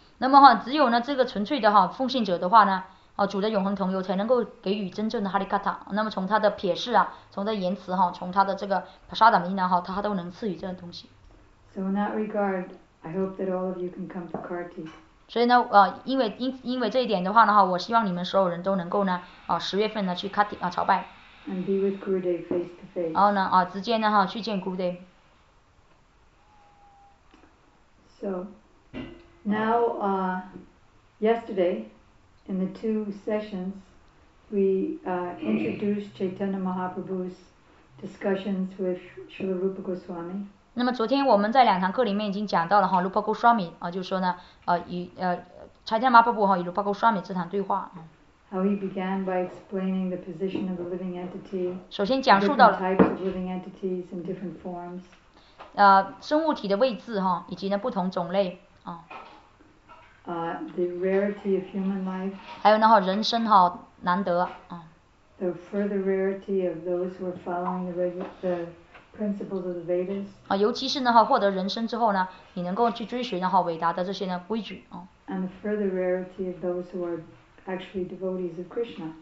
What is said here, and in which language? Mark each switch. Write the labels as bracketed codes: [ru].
[zh] 那么哈，只有呢这个纯粹的哈奉献者的话呢。主的永恒同游才能够给予真正的哈利卡塔，那么从他的撇饰啊，从他的言辞哈，从他的这个菩萨达米呢哈，他都能赐予这个东西。 [en] So in that regard, I hope that all of you can come to Karti. [zh] 所以呢，因为这一点的话呢哈，我希望你们所有人都能够呢，十月份呢去Karti朝拜。 [en] And be with Gurudev face to face. [zh] 然后呢，直接呢哈去见 Gurudev。 [en] So now, yesterday. In the two sessions, we introduced Chaitanya Mahaprabhu's discussions with Srila Rupa Goswami. [zh] 那么昨天我们在两堂课里面已经讲到了哈 ，Rupa Goswami 啊，就是说呢，与Chaitanya Mahaprabhu 哈与 Rupa Goswami 这场对话。 [en] How he began by explaining the position of the living entity. [zh] 首先讲述到了 [en] different types of living entities in different forms. [zh] 生物体的位置哈，以及呢不同种类啊。 [en] The rarity of human life. [zh] 还有呢哈，人生哈难得啊。 [en] The further rarity of those who are following the principles of the Vedas. [zh] 尤其是呢哈，获得人生之后呢，你能够去追寻呢哈伟大的这些呢规矩啊。 [en] And the further rarity of those who are actually devotees of Krishna.